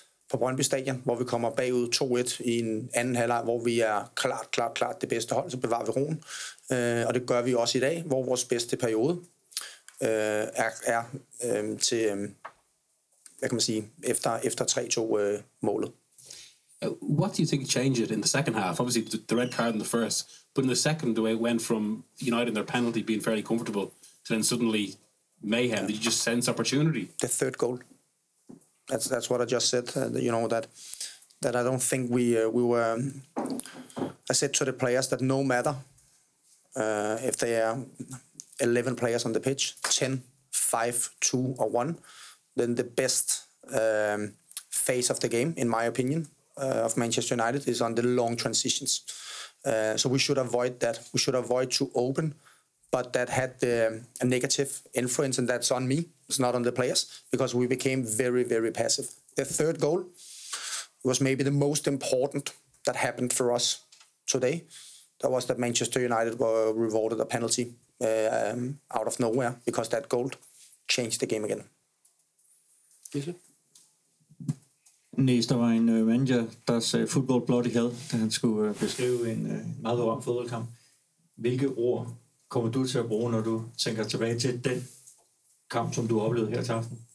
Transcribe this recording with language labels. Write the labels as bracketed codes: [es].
[da] på Brøndby Stadion, hvor vi kommer bagud 2-1 i en anden halvleg, hvor vi er klart det bedste hold, så bevarer vi roen. Og det gør vi også i dag, hvor vores bedste periode er til, hvad kan man sige, efter 3-2-målet. [en] What do you think changed in the second half? Obviously, the red card in the first, but in the second, the way it went from United and their penalty being fairly comfortable, to then suddenly mayhem. Yeah. Did you just sense opportunity? The third goal. That's what I just said. You know that I don't think we were. I said to the players that no matter if they are 11 players on the pitch, 10, 5, 2, or 1, then the best phase of the game, in my opinion, of Manchester United is on the long transitions. So we should avoid that. We should avoid to open. But that had a negative influence, and that's on me. It's not on the players, because we became very, very passive. The third goal was maybe the most important that happened for us today. That was that Manchester United were rewarded a penalty out of nowhere because that goal changed the game again. [da] Næste var en manager, der sagde fodbold blot i had, da han skulle beskrive en meget berømt fodboldkamp. Hvilke ord kommer du til at bruge, når du tænker tilbage til den kamp, som du oplevede her til aften?